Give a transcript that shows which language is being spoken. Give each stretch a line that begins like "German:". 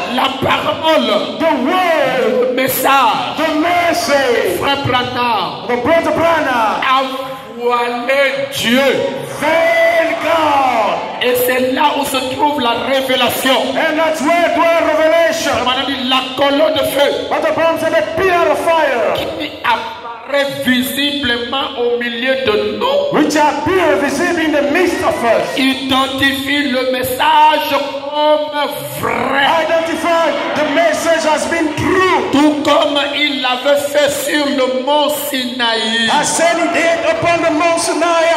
French: La parole.
English: The word.
French: Le message.
English: The message.
French: Frère Branham.
English: The brother Branham.
French: Voilà Dieu.
English: Veil God.
French: Et c'est là où se trouve la révélation.
English: And that's where the revelation.
French: La colonne de feu.
English: But the problem is the pillar of fire.
French: Qui apparaît visiblement au milieu de nous.
English: Which appear visible in the midst of us.
French: Identifie le message comme vrai.
English: Identify the message has been true.
French: Tout comme il l'avait fait sur le mont Sinaï.
English: I said it did upon the mont Sinaï.